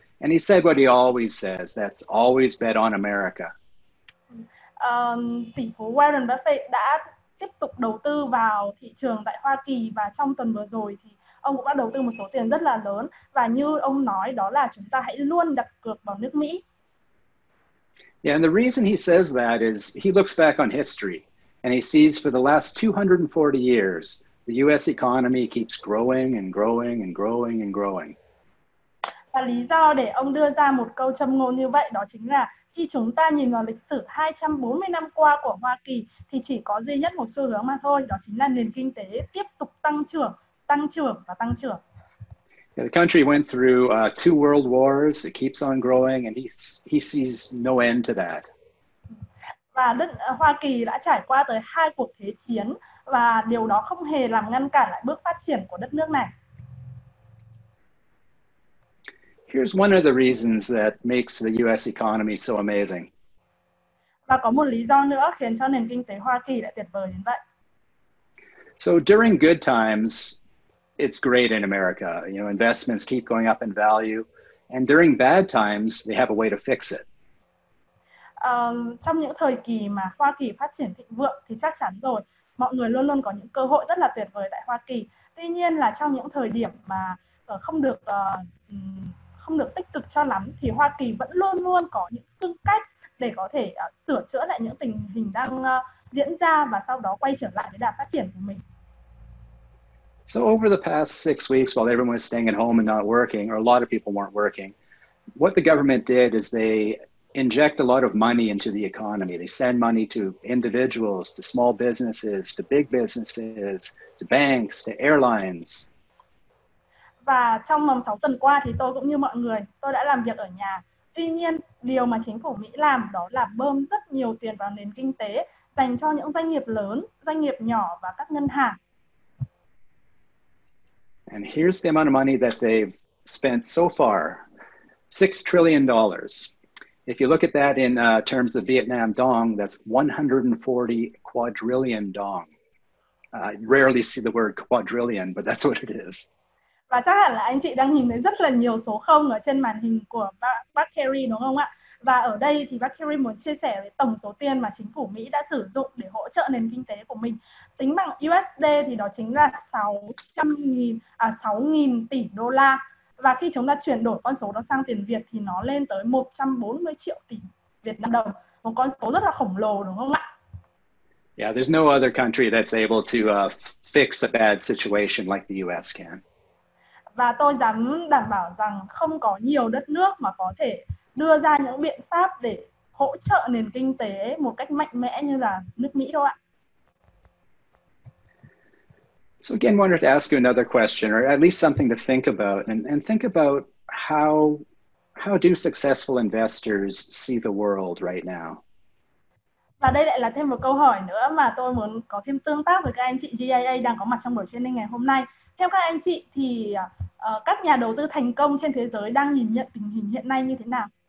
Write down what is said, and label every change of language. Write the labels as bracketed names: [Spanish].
[English] And he said what he always says, that's always bet on America. [Vietnamese] Tỷ phú Warren Buffett đã tiếp tục đầu tư vào thị trường tại Hoa Kỳ và trong tuần vừa rồi thì ông cũng đã đầu tư một số tiền rất là lớn và như ông nói đó là chúng ta hãy luôn đặt cược vào nước Mỹ. [English] Yeah, and the reason he says that is he looks back on history and he sees for the last 240 years the US economy keeps growing and growing and growing and growing. [Vietnamese] Và lý do để ông đưa ra một câu châm ngôn như vậy đó chính là khi chúng ta nhìn vào lịch sử 240 năm qua của Hoa Kỳ thì chỉ có duy nhất một xu hướng mà thôi, đó chính là nền kinh tế tiếp tục tăng trưởng và tăng trưởng. [English] Yeah, the country went through two world wars, it keeps on growing and he sees no end to that. [Vietnamese] Và Hoa Kỳ đã trải qua tới hai cuộc thế chiến và điều đó không hề làm ngăn cản lại bước phát triển của đất nước này. [English] Here's one of the reasons that makes the US economy so amazing. [Vietnamese] Và có một lý do nữa khiến cho nền kinh tế Hoa Kỳ lại tuyệt vời như vậy. [English] So during good times, it's great in America. You know, investments keep going up in value. And during bad times, they have a way to fix it. [Vietnamese] Trong những thời kỳ mà Hoa Kỳ phát triển thịnh vượng thì chắc chắn rồi, mọi người luôn luôn có những cơ hội rất là tuyệt vời tại Hoa Kỳ. Tuy nhiên là trong những thời điểm mà không được tích cực cho lắm thì Hoa Kỳ vẫn luôn luôn có những phương cách để có thể sửa chữa lại những tình hình đang diễn ra và sau đó quay trở lại với đà phát triển của mình. [English] So over the past 6 weeks while everyone was staying at home and not working or a lot of people weren't working, what the government did is they inject a lot of money into the economy. They send money to individuals, to small businesses, to big businesses, to banks, to airlines. [Vietnamese] Và trong vòng 6 tuần qua thì tôi cũng như mọi người, tôi đã làm việc ở nhà. Tuy nhiên, điều mà chính phủ Mỹ làm đó là bơm rất nhiều tiền vào nền kinh tế dành cho những doanh nghiệp lớn, doanh nghiệp nhỏ và các ngân hàng. [English] And here's the amount of money that they've spent so far, $6 trillion. If you look at that in terms of Vietnam dong, that's 140 quadrillion dong. I rarely see the word quadrillion, but that's what it is. [Vietnamese] Và chắc hẳn là anh chị đang nhìn thấy rất là nhiều số 0 ở trên màn hình của bác Kerry đúng không ạ? Và ở đây thì bác Kerry muốn chia sẻ về tổng số tiền mà chính phủ Mỹ đã sử dụng để hỗ trợ nền kinh tế của mình. Tính bằng USD thì đó chính là 6.000 tỷ đô la. Và khi chúng ta chuyển đổi con số đó sang tiền Việt thì nó lên tới 140 triệu tỷ Việt Nam đồng. Một con số rất là khổng lồ đúng không ạ? [English] Yeah, there's no other country that's able to fix a bad situation like the US can. [Vietnamese] Và tôi dám đảm bảo rằng không có nhiều đất nước mà có thể đưa ra những biện pháp để hỗ trợ nền kinh tế một cách mạnh mẽ như là nước Mỹ đâu ạ. [English] So again, wanted to ask you another question, or at least something to think about, and think about how do successful investors see the world right now? [Vietnamese] Và đây lại là thêm một câu hỏi nữa mà tôi muốn có thêm tương tác với các anh chị GIA đang có mặt trong buổi training ngày hôm nay. Theo các anh chị thì các nhà đầu tư thành công trên thế giới đang nhìn nhận tình hình hiện nay như thế nào?